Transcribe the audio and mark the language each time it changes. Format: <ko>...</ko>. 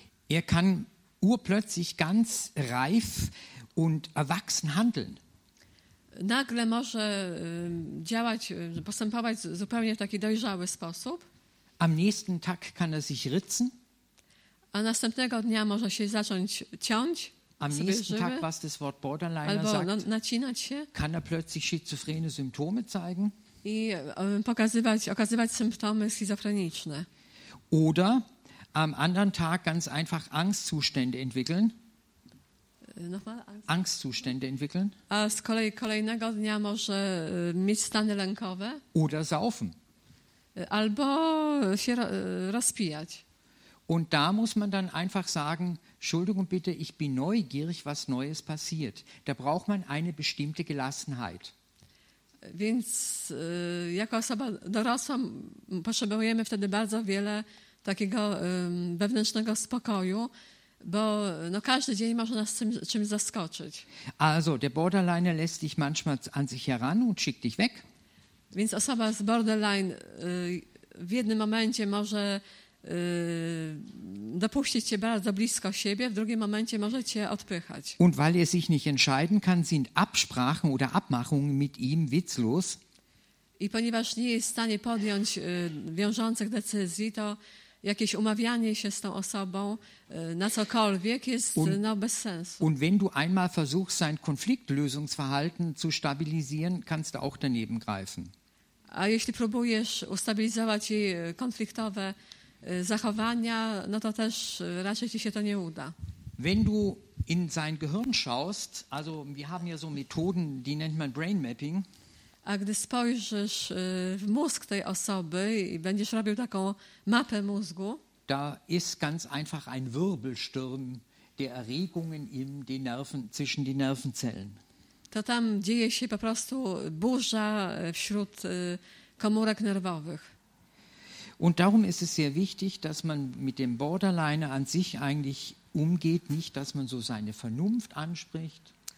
<de>Er kann urplötzlich ganz reif und erwachsen handeln.</de> <pl>Nagle może działać, postępować zupełnie w taki dojrzały sposób.</pl> <de>Am nächsten Tag kann er sich ritzen.</de> <pl>A następnego dnia może się zacząć ciąć.</pl> <de>Am nächsten Tag, was das Wort Borderliner</de> <pl>albo</pl> <de>sagt,</de> <pl>nacinać się.</pl> <de>Kann er plötzlich schizophrene Symptome zeigen.</de> <pl>I okazywać symptomy schizofreniczne.</pl> <de>Oder am anderen Tag ganz einfach Angstzustände entwickeln. Nochmal Angstzustände entwickeln.</de> <pl>A z kolei kolejnego dnia może mieć stany lękowe.</pl> <de>Oder saufen.</de> <pl>Albo się rozpijać.</pl> <de>Und da muss man dann einfach sagen, Entschuldigung bitte, ich bin neugierig, was Neues passiert. Da braucht man eine bestimmte Gelassenheit.</de> <pl>Więc jako osoba dorosła potrzebujemy wtedy bardzo wiele takiego wewnętrznego spokoju, bo no, każdy dzień może nas czymś zaskoczyć.</pl> <de>Also, der Borderliner lässt dich manchmal an sich heran und schickt dich weg.</de> <pl>Więc osoba z borderline w jednym momencie może dopuścić cię bardzo blisko siebie, w drugim momencie może cię odpychać.</pl> <de>Und weil er sich nicht entscheiden kann, sind Absprachen oder Abmachungen mit ihm witzlos.</de> <pl>I ponieważ nie jest w stanie podjąć wiążących decyzji, to jakieś umawianie się z tą osobą na cokolwiek jest bez sensu.</pl> <de>Und wenn du einmal versuchst, sein Konfliktlösungsverhalten zu stabilisieren, kannst du auch daneben greifen.</de> <pl>A jeśli próbujesz ustabilizować jej konfliktowe zachowania, no to też raczej ci się to nie uda.</pl> <de>Wenn du in sein Gehirn schaust, also wir haben ja so Methoden, die nennt man Brain Mapping.</de> <pl>A gdy spojrzysz w mózg tej osoby i będziesz robił taką mapę mózgu,</pl> <de>da ist ganz einfach ein Wirbelsturm der Erregungen in den Nerven, zwischen den Nervenzellen.</de> <pl>To tam dzieje się po prostu burza wśród komórek nerwowych.</pl> <de>Und darum ist es sehr wichtig, dass man mit dem Borderliner an sich eigentlich umgeht, nicht dass man so seine Vernunft anspricht.</de>